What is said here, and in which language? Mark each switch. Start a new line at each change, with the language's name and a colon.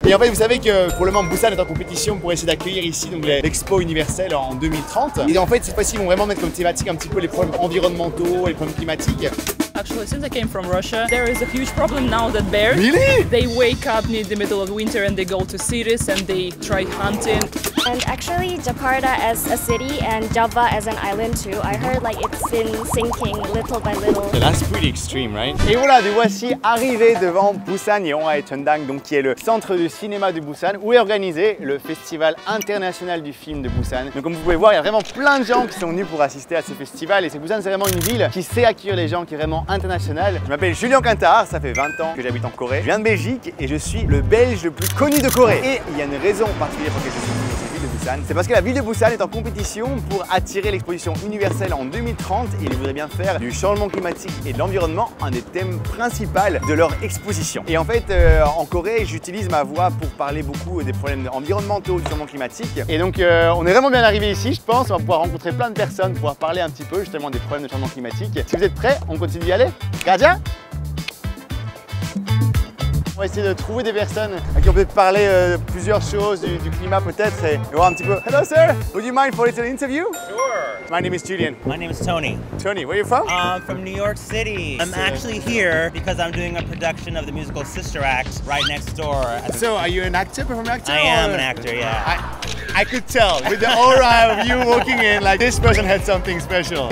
French: Et en fait, vous savez que pour le moment, Busan est en compétition pour essayer d'accueillir ici donc l'Expo universelle en 2030. Et en fait, cette fois-ci, ils vont vraiment mettre comme thématique un petit peu les problèmes environnementaux, les problèmes climatiques.
English: Actually, since I came from Russia, there is a huge problem now that bears, really? They wake up in the middle of winter and they go to cities and they try hunting. And actually, Jakarta as a city and Java as an island too, I heard like it's been sinking little by little. Yeah, that's pretty extreme, right?
French: Et voilà, nous voici arrivés devant Busan Yeonhaechundang, donc qui est le centre du cinéma de Busan, où est organisé le festival international du film de Busan. Donc comme vous pouvez voir, il y a vraiment plein de gens qui sont venus pour assister à ce festival. Et Busan, c'est vraiment une ville qui sait accueillir les gens, qui est vraiment international. Je m'appelle Julien Quintard, ça fait 20 ans que j'habite en Corée. Je viens de Belgique et je suis le Belge le plus connu de Corée. Et il y a une raison particulière pour laquelle je suis venu dans cette ville de Busan. C'est parce que la ville de Busan est en compétition pour attirer l'exposition universelle en 2030 et ils voudraient bien faire du changement climatique et de l'environnement un des thèmes principaux de leur exposition. Et en fait, en Corée, j'utilise ma voix pour parler beaucoup des problèmes environnementaux, du changement climatique. Et donc, on est vraiment bien arrivé ici, je pense. On va pouvoir rencontrer plein de personnes, pouvoir parler un petit peu justement des problèmes de changement climatique. Si vous êtes prêts, on continue d'y aller. Gardien ? On va essayer de trouver des personnes à qui on peut parler plusieurs choses du climat peut-être et voir un petit peu.
English: Hello sir, would you mind for a little interview? Sure. My name is Julian. My name is Tony. Tony, where are you from? I'm from New York City. I'm actually here because I'm doing a production of the musical Sister Act right next door. So are you an actor, performing actor? I am an actor, yeah. I could tell with the aura of you walking in, like this person had something special.